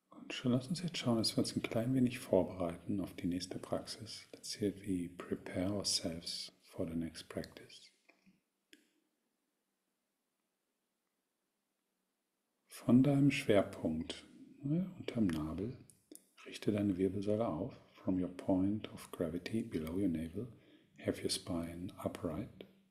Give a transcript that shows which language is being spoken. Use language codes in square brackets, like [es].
[de] Schon lass uns jetzt schauen, dass wir uns ein klein wenig vorbereiten auf die nächste Praxis. [en] Let's see if we prepare ourselves for the next practice. [de] Von deinem Schwerpunkt, unterm Nabel, richte deine Wirbelsäule auf. [en] From your point of gravity below your navel, have your spine upright.